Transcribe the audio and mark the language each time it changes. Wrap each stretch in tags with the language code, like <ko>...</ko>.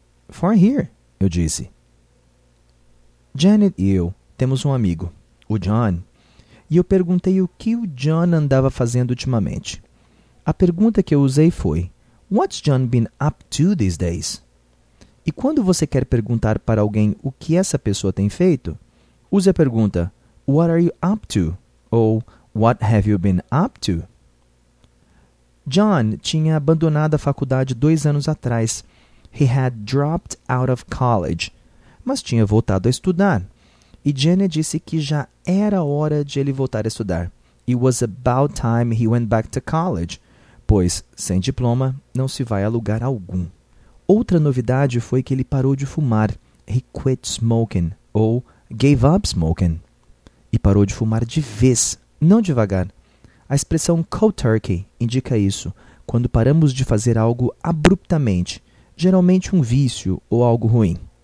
<en>For here,</en> <pt>eu disse. Janet e eu temos um amigo, o John, e eu perguntei o que o John andava fazendo ultimamente. A pergunta que eu usei foi,</pt> <en>what's John been up to these days?</en> <pt>E quando você quer perguntar para alguém o que essa pessoa tem feito, use a pergunta,</pt> <en>what are you up to? Ou, what have you been up to?</en> <pt>John tinha abandonado a faculdade 2 anos atrás.</pt> <en>He had dropped out of college,</en> <pt>mas tinha voltado a estudar. E Jenny disse que já era hora de ele voltar a estudar.</pt> <en>It was about time he went back to college.</en> <pt>Pois, sem diploma, não se vai a lugar algum. Outra novidade foi que ele parou de fumar.</pt> <en>He quit smoking, ou gave up smoking.</en> <pt>E parou de fumar de vez, não devagar. A expressão cold turkey indica isso, quando paramos de fazer algo abruptamente, geralmente um vício ou algo ruim.</pt>